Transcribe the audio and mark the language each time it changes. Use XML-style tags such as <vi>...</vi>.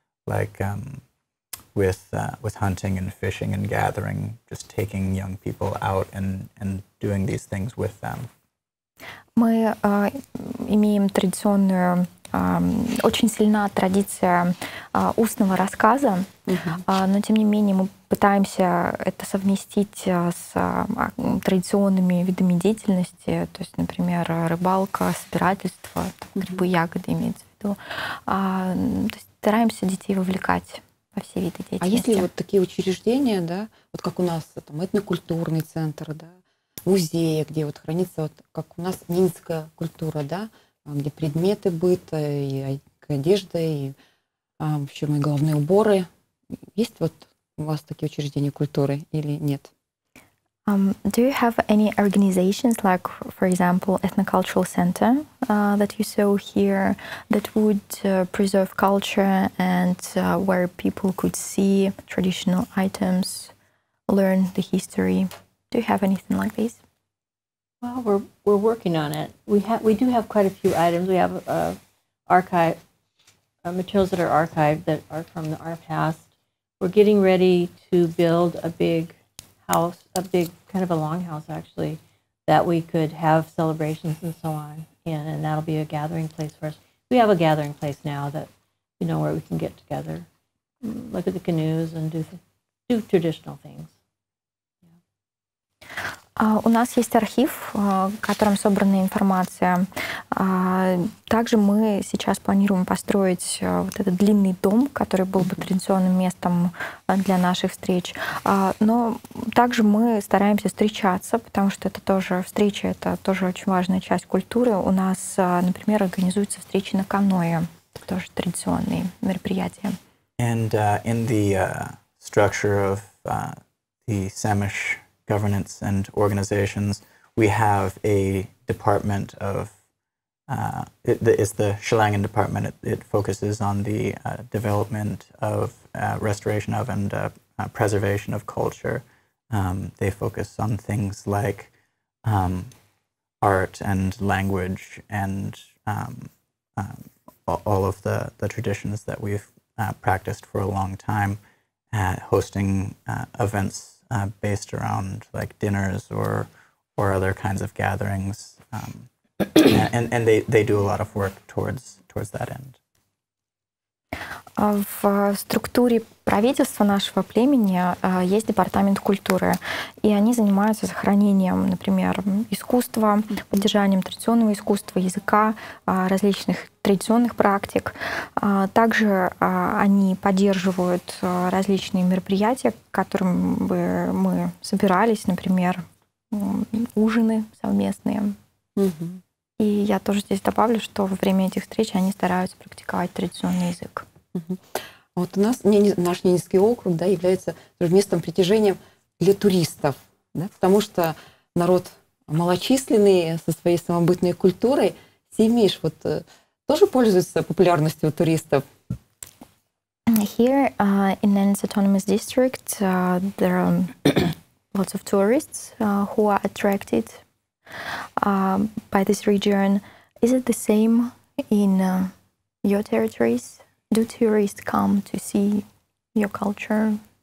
<en>Like, with hunting and fishing and gathering, just taking young people out and doing these things with them.</en> <ru>Мы имеем традиционную, очень сильна традиция устного рассказа, но тем не менее мы пытаемся это совместить с традиционными видами деятельности, то есть, например, рыбалка, собирательство, там, грибы, ягоды имеется в виду. То есть стараемся детей вовлекать. Все виды деятельности. А есть ли вот такие учреждения, да, вот как у нас там этнокультурный центр, да, музеи, где вот хранится, вот как у нас минская культура, да, где предметы быта, и одежда, и в общем, и головные уборы. Есть вот у вас такие учреждения культуры или нет?</ru> <en>Do you have any organizations, like, for example, ethnocultural center that you saw here that would preserve culture and where people could see traditional items, learn the history? Do you have anything like this? Well, we're working on it. We do have quite a few items. We have materials that are archived that are from our past. We're getting ready to build a big house, a big kind of a longhouse actually, that we could have celebrations and so on in, and that'll be a gathering place for us. We have a gathering place now that, you know, where we can get together, look at the canoes and do traditional things.</en> <ru>У нас есть архив, в котором собрана информация. Также мы сейчас планируем построить вот этот длинный дом, который был бы традиционным местом для наших встреч. Но также мы стараемся встречаться, потому что это тоже встреча, это тоже очень важная часть культуры. У нас, например, организуются встречи на каноэ, это тоже традиционные мероприятия.</ru> <en>And in the structure of the Samish governance and organizations, we have a department of it's the Shilangan department. It focuses on the development of restoration of and preservation of culture. They focus on things like art and language and all of the traditions that we've practiced for a long time, hosting events based around like dinners or other kinds of gatherings, and they do a lot of work towards that end.</en> <ru>В структуре правительства нашего племени есть департамент культуры, и они занимаются сохранением, например, искусства, поддержанием традиционного искусства, языка, различных традиционных практик. Также они поддерживают различные мероприятия, к которым бы мы собирались, например, ужины совместные. Mm-hmm. И я тоже здесь добавлю, что во время этих встреч они стараются практиковать традиционный язык. Угу. Вот у нас наш Ненецкий округ, да, является местом притяжения для туристов, да, потому что народ малочисленный, со своей самобытной культурой. Семиш вот тоже пользуется популярностью у туристов.</ru> <en>Here in Nenets Autonomous District there are lots of tourists who are attracted by this region. Is it the same in your territories? Do tourists come to see your culture?</en>